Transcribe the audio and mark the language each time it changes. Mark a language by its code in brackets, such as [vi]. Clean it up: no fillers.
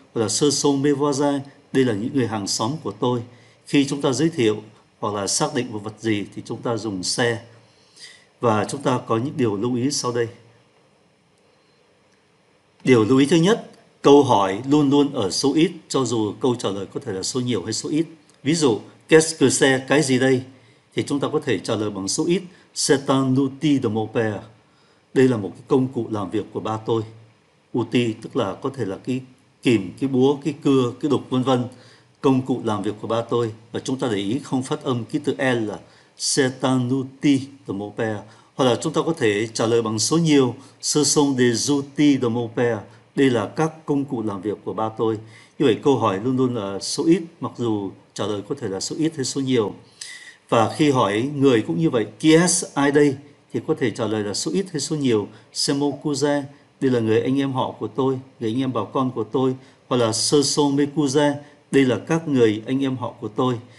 [vi] Hoặc là sơ sông mê voa gia, đây là những người hàng xóm của tôi. Khi chúng ta giới thiệu hoặc là xác định một vật gì thì chúng ta dùng xe. Và chúng ta có những điều lưu ý sau đây. Điều lưu ý thứ nhất: câu hỏi luôn luôn ở số ít, cho dù câu trả lời có thể là số nhiều hay số ít. Ví dụ, [fr] qu'est-ce que c'est, [vi] cái gì đây? Thì chúng ta có thể trả lời bằng số ít. C'est un outil de mon père. Đây là một cái công cụ làm việc của ba tôi. Outil tức là có thể là cái kìm, cái búa, cái cưa, cái đục, vân vân. Công cụ làm việc của ba tôi. Và chúng ta để ý không phát âm ký tự L là [fr] c'est un outil de mon père. [vi] Hoặc là chúng ta có thể trả lời bằng số nhiều. Ce sont des outils de mon père. Đây là các công cụ làm việc của ba tôi. Như vậy câu hỏi luôn luôn là số ít, mặc dù trả lời có thể là số ít hay số nhiều. Và khi hỏi người cũng như vậy, [fr] qui est, [vi] ai đây, thì có thể trả lời là số ít hay số nhiều. [fr] C'est mon cousin, [vi] đây là người anh em họ của tôi, người anh em bà con của tôi, hoặc là sơ sô mê cu gia, đây là các người anh em họ của tôi.